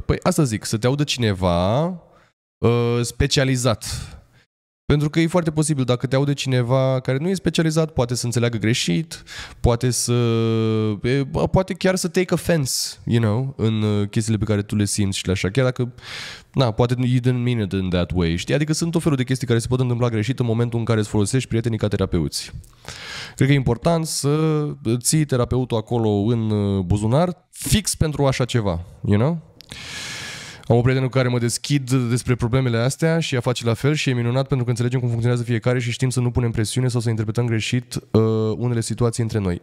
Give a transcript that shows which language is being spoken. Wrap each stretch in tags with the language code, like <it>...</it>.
<ro>Păi asta zic, să te audă cineva specializat. Pentru că e foarte posibil, dacă te aude cineva care nu e specializat, poate să înțeleagă greșit, poate să... poate chiar să</ro> <en>take offense, you know,</en> <ro>în chestiile pe care tu le simți și le așa. Chiar dacă... Na, poate</ro> <en>you didn't mean it in that way,</en> <ro>știi? Adică sunt tot felul de chestii care se pot întâmpla greșit în momentul în care îți folosești prietenii ca terapeuți. Cred că e important să ții terapeutul acolo în buzunar fix pentru așa ceva,</ro> <en>you know?</en> <ro>Am o prietenă cu care mă deschid despre problemele astea și ea face la fel și e minunat pentru că înțelegem cum funcționează fiecare și știm să nu punem presiune sau să interpretăm greșit unele situații între noi.</ro>